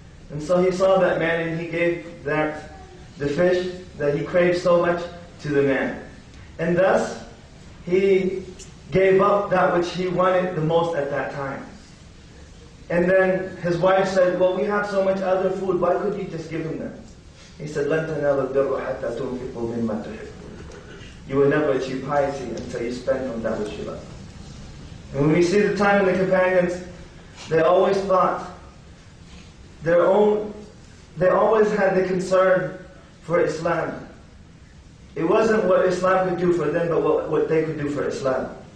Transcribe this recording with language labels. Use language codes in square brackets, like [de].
[en] And so he saw that man and he gave the fish that he craved so much to the man. And thus, he gave up that which he wanted the most at that time. And then his wife said, "Well, we have so much other food, why could you just give him that?" He said, [ar] "لَن تَنَالُوا الْبِرَّ حَتَّى تُنْفِقُوا مِمَّا تُحِبُّونَ." [en] You will never achieve piety until you spend on that which you love. And when we see the time of the companions, they always thought their own, they always had the concern for Islam. It wasn't what Islam could do for them, but what they could do for Islam.